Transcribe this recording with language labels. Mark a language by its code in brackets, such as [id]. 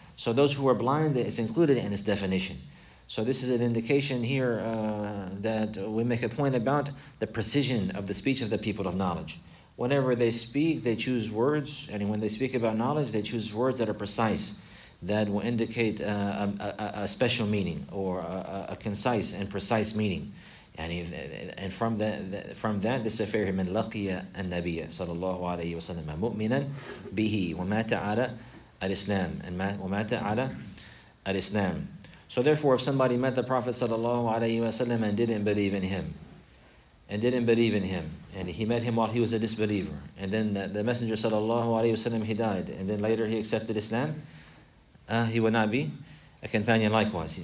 [en] So those who are blind is included in this definition. So this is an indication here that we make a point about the precision of the speech of the people of knowledge. Whenever they speak, they choose words. And when they speak about knowledge, they choose words that are precise, that will indicate a special meaning or a concise and precise meaning. And from that, this affair, [ar] من لقي النبي صلى الله عليه وسلم مؤمنا به ومات على الإسلام ومات على الإسلام. [en] So therefore, if somebody met the Prophet sallallahu alayhi wa sallam and didn't believe in him, and he met him while he was a disbeliever, and then the Messenger sallallahu alayhi wa sallam, he died, and then later he accepted Islam, he would not be a companion likewise.